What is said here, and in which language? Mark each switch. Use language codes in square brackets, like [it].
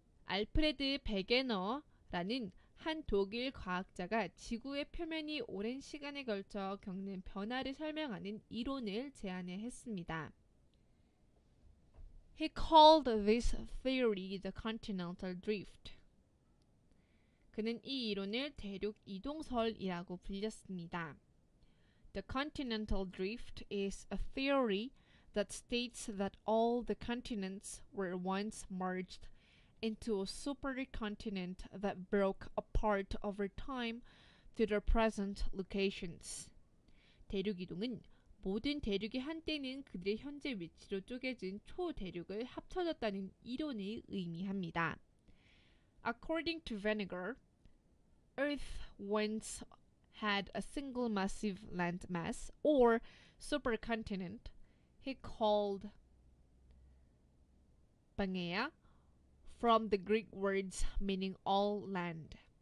[ko] 알프레드 베게너라는 한 독일 과학자가 지구의 표면이 오랜 시간에 걸쳐 겪는 변화를 설명하는 이론을 제안해 했습니다. [en] He called this theory the continental drift. [ko] 그는 이 이론을 대륙 이동설이라고 불렸습니다. [en] The continental drift is a theory that states that all the continents were once merged into a supercontinent that broke apart over time to their present locations. [ko] 대륙 이동은 모든 대륙이 한때는 그들의 현재 위치로 쪼개진 초대륙을 합쳐졌다는 이론을 의미합니다. [en] According to Weniger, Earth once had a single massive land mass or supercontinent he called Pangaea from the Greek words meaning all land.